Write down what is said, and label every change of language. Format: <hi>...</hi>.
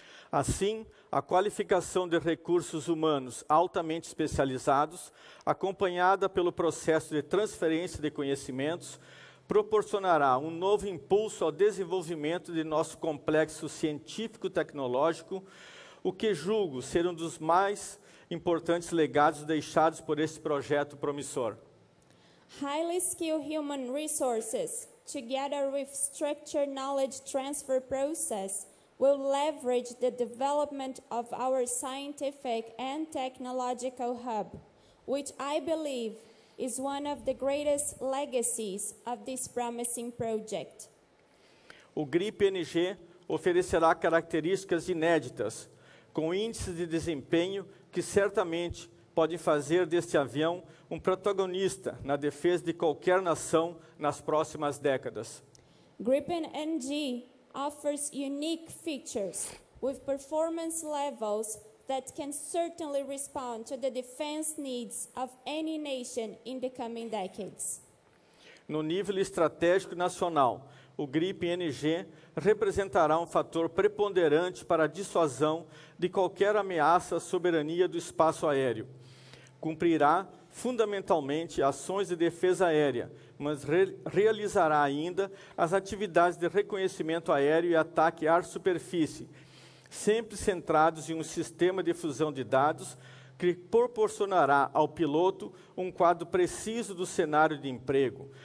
<pt>Assim, a qualificação de recursos humanos altamente especializados, acompanhada pelo processo de transferência de conhecimentos, proporcionará um novo impulso ao desenvolvimento de nosso complexo científico-tecnológico, o que julgo ser um dos mais importantes legados deixados por este projeto promissor.</pt> <en>Highly skilled human resources, together with structured knowledge transfer process, will leverage the development of our scientific and technological hub, which I believe is one of the greatest legacies of this promising project.</en> <pt>O GRIPEN-NG oferecerá características inéditas, com índices de desempenho que certamente podem fazer deste avião um protagonista na defesa de qualquer nação nas próximas décadas.</pt> <en>GRIPEN-NG offers unique features with performance levels that can certainly respond to the defense needs of any nation in the coming decades.</en> <pt>No nível estratégico nacional, o GRIPEN NG representará um fator preponderante para a dissuasão de qualquer ameaça à soberania do espaço aéreo. Cumprirá fundamentalmente ações de defesa aérea, mas realizará ainda as atividades de reconhecimento aéreo e ataque ar-superfície, sempre centrados em um sistema de fusão de dados que proporcionará ao piloto um quadro preciso do cenário de emprego.</pt>